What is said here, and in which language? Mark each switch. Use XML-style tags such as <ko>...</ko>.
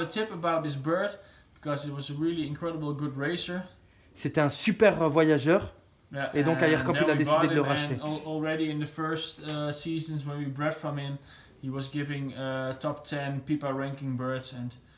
<en>a tip about this bird because it was a really incredible good racer.</en> <fr>C'était un super voyageur. Yeah, et donc Ayerkamp il a décidé de le racheter.</fr> <en>Already in the first seasons when we bred from him, he was giving top 10 PIPA ranking birds and</en>